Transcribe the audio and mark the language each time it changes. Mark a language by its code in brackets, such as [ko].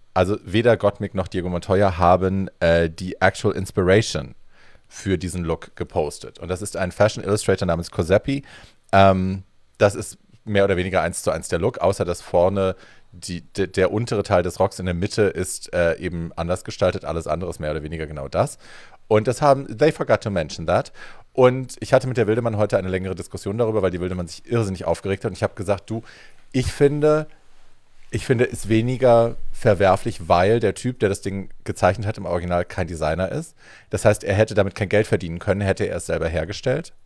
[de] Also weder Gottmik noch Diego Montoya haben die [en] actual inspiration [de] für diesen Look gepostet. Und das ist ein Fashion Illustrator namens Cosepi. Das ist mehr oder weniger eins zu eins der Look, außer dass vorne der untere Teil des Rocks in der Mitte ist eben anders gestaltet. Alles andere ist mehr oder weniger genau das. Und das haben, [en] they forgot to mention that. [de] Und ich hatte mit der Wildemann heute eine längere Diskussion darüber, weil die Wildemann sich irrsinnig aufgeregt hat. Und ich habe gesagt, ich finde, es ist weniger verwerflich, weil der Typ, der das Ding gezeichnet hat, im Original kein Designer ist. Das heißt, er hätte damit kein Geld verdienen können, hätte er es selber hergestellt.